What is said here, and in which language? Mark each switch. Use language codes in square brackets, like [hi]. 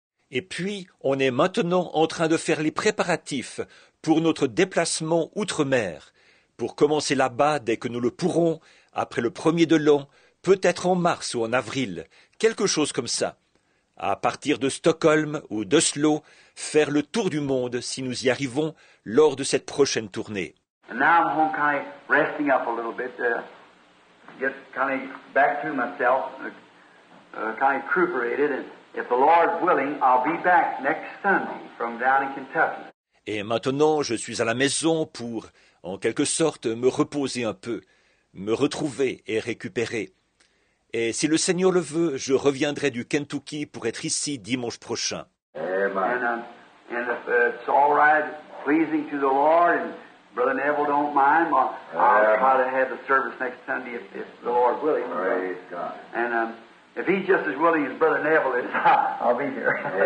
[fr] Et puis, on est maintenant en train de faire les préparatifs pour notre déplacement outre-mer, pour commencer là-bas dès que nous le pourrons, après le premier de l'an, peut-être en mars ou en avril, quelque chose comme ça. À partir de Stockholm ou d'Oslo, faire le tour du monde si nous y arrivons lors de cette prochaine tournée. [en] And now I'm home kind of resting up a little bit there. Get kind of back to myself, kind of recuperated, and if the Lord willing, I'll be back next Sunday from down in Kentucky. [fr] Et maintenant, je suis à la maison pour, en quelque sorte, me reposer un peu, me retrouver et récupérer. Et si le Seigneur le veut, je reviendrai du Kentucky pour être ici dimanche prochain. [en] Amen. And if it's all right, pleasing to the Lord, and Brother Neville don't mind, I'll try to have the service next Sunday if the Lord willing. Praise God. And If he's just as willing as Brother Neville is, I'll be here.